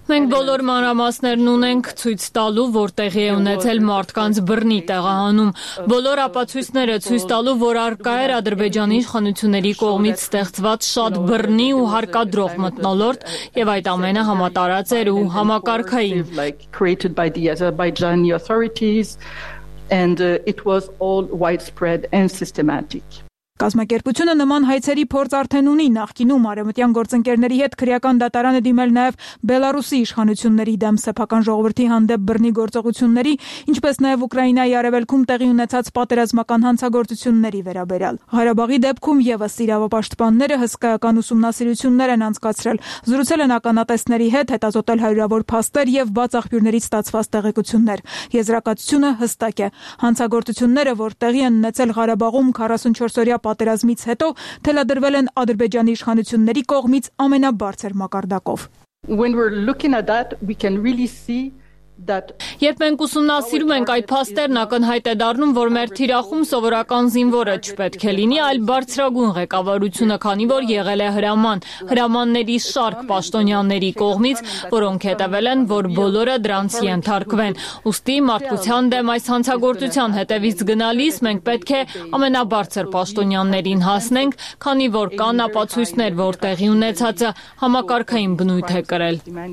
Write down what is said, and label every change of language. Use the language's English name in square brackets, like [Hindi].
[Armenian] Մենք բոլոր մանրամասներն ունենք ցույց տալու, որ տեղի է ունեցել մարդկանց բռնի տեղահանում, բոլոր ապացույցները ցույց տալու, որ արկա էր Ադրբեջանի իշխանությունների կողմից ստեղծված շատ բռնի ու հարկադրող մտնոլորտ, եւ այդ ամենը համատարած էր ու համակարգային. [English] Created by the Azerbaijani authorities and it was all widespread and systematic. [Armenian] Կազմակերպությունը նման հայցերի փորձ արդեն ունի, նախկինում արևմտյան գործընկերների հետ քրեական դատարանը դիմել նաև Բելարուսի իշխանությունների դեմ սեփական ժողովրդի հանդեպ բռնի գործողությունների, ինչպես նաև Ուկրաինայի արևելքում տեղի ունեցած պատերազմական հանցագործությունների վերաբերյալ։ Ղարաբաղի դեպքում եւս իրավապաշտպանները հսկայական ուսումնասիրություններ են անցկացրել, զրուցել են ականատեսների հետ, հետազոտել հարյուրավոր փաստեր եւ բաց աղբյուրներից ստացված տեղեկություններ։ Եզրակացությունը հստակ է. հանցագործությունները, որ տեղի են ունեցել Ղարաբաղում 44-օրյա պատերազմից հետո, թելադրվել են Ադրբեջանի իշխանությունների կողմից ամենաբարձր մակարդակով։ [English] When we're looking at that, we can really see [Armenian] Երբ մենք ուսումնասիրում ենք այդ փաստերն, ակնհայտ է դառնում, որ մեր թիրախում սովորական զինվորը չպետք է լինի, այլ բարձրագույն ղեկավարությունը, քանի որ եղել է հրաման, հրամանների շարք պաշտոնյաների կողմից, որոնք հետևել են, որ բոլորը դրանց ենթարկվեն։ Ուստի մարդկության դեմ այս հանցագործության հետևից գնալիս մենք պետք է ամենաբարձր պաշտոնյաններին հասնենք, քանի որ կան ապացույցներ, որ տեղի ունեցածը համակարգային բնույթ է կրել։